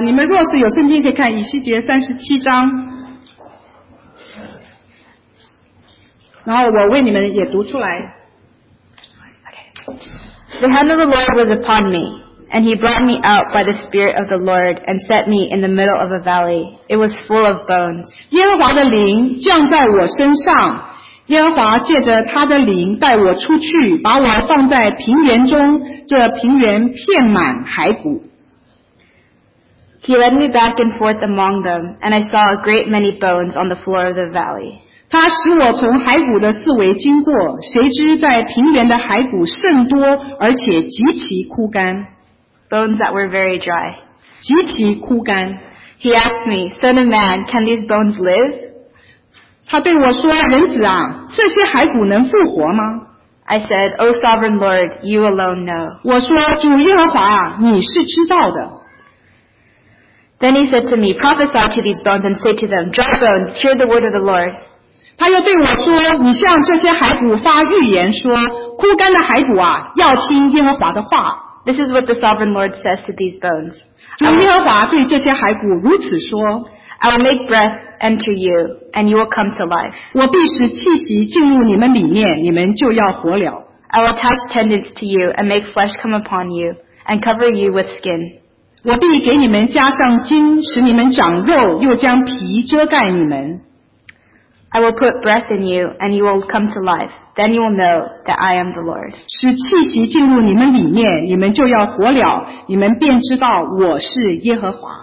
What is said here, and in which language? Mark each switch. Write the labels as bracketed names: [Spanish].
[Chinese] 你们若是有圣经，可以看以西结37章。然后我为你们也读出来。 [English] The hand of the Lord was upon me, and he brought me out by the Spirit of the Lord, and set me in the middle of a valley. It was full of bones. [Chinese] 耶和华的灵降在我身上，耶和华借着他的灵带我出去，把我放在平原中，这平原遍满骸骨。 [English] He led me back and forth among them, and I saw a great many bones on the floor of the valley. [Chinese] 他使我从骸骨的四围经过，谁知在平原的骸骨甚多，而且极其枯干。 [English] Bones that were very dry. [Chinese] 极其枯干。 [English] He asked me, Son of man, can these bones live? [Chinese] 他对我说，人子啊，这些骸骨能复活吗？ [English] I said, O sovereign Lord, you alone know. [Chinese] 我说，主耶和华啊，你是知道的。 [English] Then he said to me, Prophesy to these bones and say to them, Dry bones, hear the word of the Lord. [Chinese] 他又对我说，你向这些骸骨发预言说，枯干的骸骨啊，要听耶和华的话。 [English] This is what the sovereign Lord says to these bones. [Chinese] 主耶和华对这些骸骨如此说， [English] I will make breath enter you, and you will come to life. [Chinese] 我必使气息进入你们里面，你们就要活了。 [English] I will attach tendons to you, and make flesh come upon you, and cover you with skin. [Chinese] 我必给你们加上筋，使你们长肉，又将皮遮盖你们。 [English] I will put breath in you, and you will come to life. Then you will know that I am the Lord. [Chinese] 使气息进入你们里面，你们就要活了，你们便知道我是耶和华。